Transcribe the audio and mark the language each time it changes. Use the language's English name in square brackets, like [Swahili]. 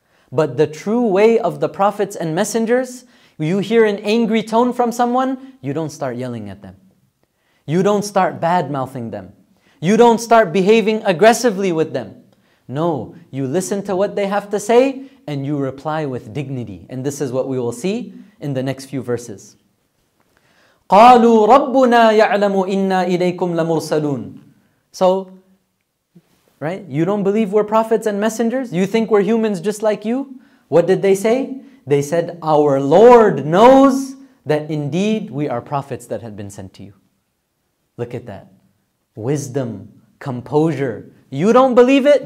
[English] But the true way of the prophets and messengers, you hear an angry tone from someone, you don't start yelling at them. You don't start bad-mouthing them. You don't start behaving aggressively with them. No, you listen to what they have to say and you reply with dignity. And this is what we will see in the next few verses. [Arabic] قَالُوا رَبُّنَا يَعْلَمُ إِنَّا إِلَيْكُمْ لَمُرْسَلُونَ [English] So, right? You don't believe we're prophets and messengers? You think we're humans just like you? What did they say? They said, our Lord knows that indeed we are prophets that had been sent to you. Look at that. Wisdom, composure. You don't believe it?